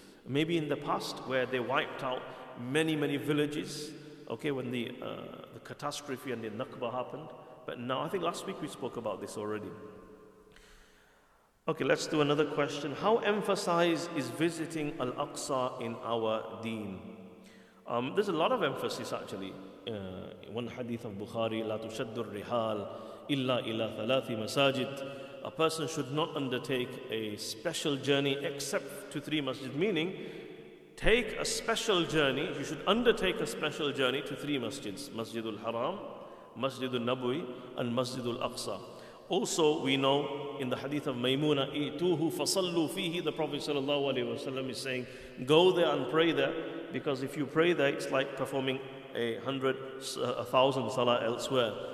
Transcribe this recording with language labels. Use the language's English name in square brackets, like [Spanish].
[English] Maybe in the past where they wiped out many, many villages, okay, when the catastrophe and the Nakba happened. But now, I think last week we spoke about this already. Okay, let's do another question. How emphasized is visiting Al-Aqsa in our deen? There's a lot of emphasis actually. One hadith of Bukhari, [Arabic] لا تشد الرحال إلا إلى ثلاث مساجد. [English] A person should not undertake a special journey except to three masjid. Meaning, take a special journey. You should undertake a special journey to three masjids. Masjid al-Haram, Masjid al-Nabawi and Masjid al-Aqsa. Also, we know in the hadith of Maymuna, [Arabic] إِتُوهُ فَصَلُّوا فِيهِ, [English] the Prophet sallallahu alayhi wa sallam is saying, go there and pray there, because if you pray there, it's like performing a thousand salah elsewhere.